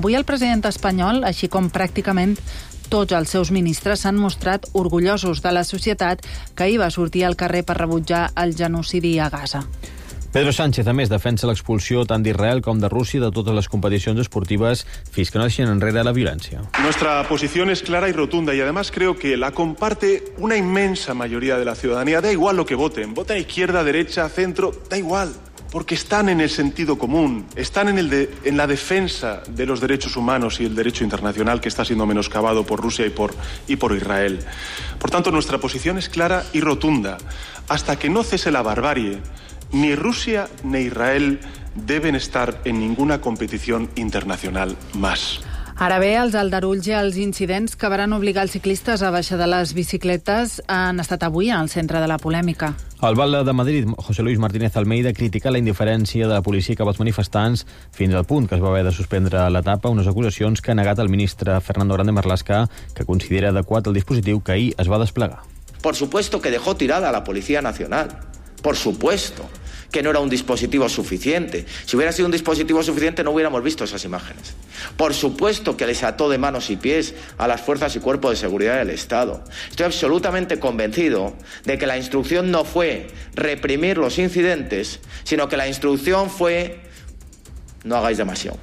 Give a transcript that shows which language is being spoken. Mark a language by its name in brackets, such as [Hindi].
[Catalan] Avui el president espanyol, així com pràcticament tots els seus ministres, s'han mostrat orgullosos de la societat que hi va sortir al carrer per rebutjar el genocidi a Gaza. Pedro Sánchez, a més, defensa l'expulsió tant d'Israel com de Rússia de totes les competicions esportives fins que no deixin enrere la violència. [Spanish] Nuestra posición es clara y rotunda y además creo que la comparte una inmensa mayoría de la ciudadanía. Da igual lo que voten, voten a izquierda, derecha, centro, da igual, porque están en el sentido común, están en la defensa de los derechos humanos y el derecho internacional que está siendo menoscabado por Rusia y por Israel. Por tanto, nuestra posición es clara y rotunda. Hasta que no cese la barbarie, ni Rusia ni Israel deben estar en ninguna competición internacional más. [Catalan] Ara bé, els aldarulls i els incidents que varen obligar els ciclistes a baixar de les bicicletes han estat avui al centre de la polèmica. El batlle de Madrid, José Luis Martínez Almeida, critica la indiferència de la policia cap als manifestants fins al punt que es va haver de suspendre l'etapa, unes acusacions que ha negat el ministre Fernando Grande Marlaska, que considera adequat el dispositiu que ahir es va desplegar. [Spanish] Por supuesto que dejó tirada a la Policía Nacional. Por supuesto que no era un dispositivo suficiente. Si hubiera sido un dispositivo suficiente no hubiéramos visto esas imágenes. Por supuesto que les ató de manos y pies a las fuerzas y cuerpos de seguridad del Estado. Estoy absolutamente convencido de que la instrucción no fue reprimir los incidentes, sino que la instrucción fue no hagáis demasiado.